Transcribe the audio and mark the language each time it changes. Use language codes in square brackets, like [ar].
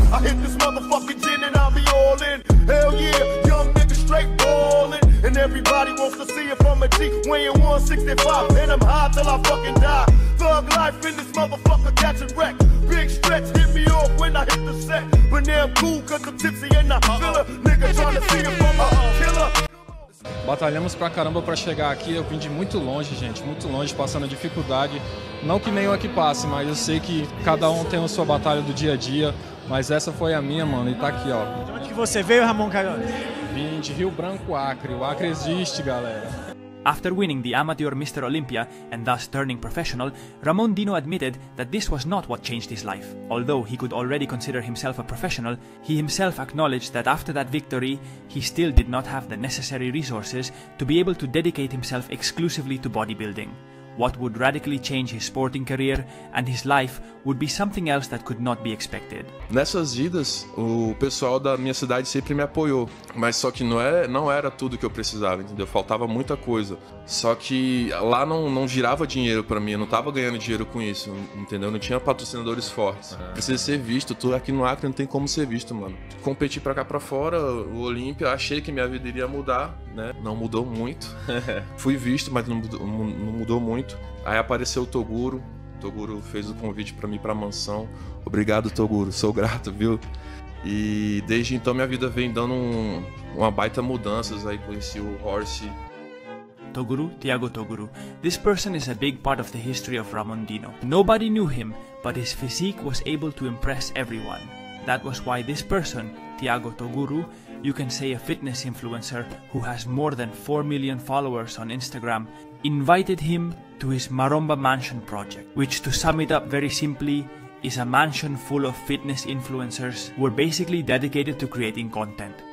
[en] I hit this motherfucking gin and I'll be all in. Hell yeah, young nigga straight ballin'. And everybody wants to see it from a G weighing 165, and I'm high till I fucking die. Thug life in this motherfucker catching wreck. Big stretch hit me off when I hit the set. But now I'm cool cause I'm tipsy and I'm filler. Nigga trying to see it from a killer. [pt] Batalhamos pra caramba pra chegar aqui, eu vim de muito longe, gente, muito longe, passando dificuldade. Não que nenhum aqui passe, mas eu sei que cada um tem a sua batalha do dia a dia, mas essa foi a minha, mano, e tá aqui, ó. De onde que você veio, Ramon Carioca? Vim de Rio Branco, Acre. O Acre existe, galera. [en] After winning the amateur Mr. Olympia and thus turning professional, Ramon Dino admitted that this was not what changed his life. Although he could already consider himself a professional, he himself acknowledged that after that victory, he still did not have the necessary resources to be able to dedicate himself exclusively to bodybuilding. What would radically change his sporting career and his life would be something else that could not be expected. [pt] Nessas idas, o pessoal da minha cidade sempre me apoiou, mas só que não era tudo que eu precisava, entendeu? Faltava muita coisa. Só que lá não girava dinheiro pra mim, eu não tava ganhando dinheiro com isso, entendeu? Não tinha patrocinadores fortes. Uhum. Precisa ser visto, tudo aqui no Acre não tem como ser visto, mano. Competi pra cá pra fora, o Olympia, achei que minha vida iria mudar, né? Não mudou muito. Fui visto, mas não mudou muito. Aí apareceu o Toguro. Toguro fez o convite pra mim pra mansão. Obrigado, Toguro. Sou grato, viu? E desde então minha vida vem dando uma baita mudanças. Aí conheci o Horse. Toguro, Thiago Toguro. [en] This person is a big part of the history of Ramon Dino. Nobody knew him, but his physique was able to impress everyone. That was why this person, Thiago Toguro, you can say a fitness influencer who has more than 4 million followers on Instagram, invited him to his Maromba Mansion project, which, to sum it up very simply, is a mansion full of fitness influencers who were basically dedicated to creating content.